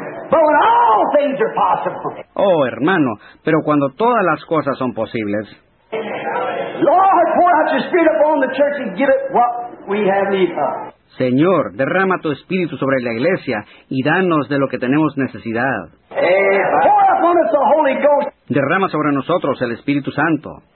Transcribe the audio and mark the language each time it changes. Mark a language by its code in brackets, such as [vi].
[en] But when all things are possible. [es] Oh, hermano, pero cuando todas las cosas son posibles. [en] Lord, pour out your spirit upon the church and give it what we have need of. [es] Señor, derrama tu espíritu sobre la iglesia y danos de lo que tenemos necesidad. [en] Pour upon us the Holy Ghost. [es] Derrama sobre nosotros el Espíritu Santo.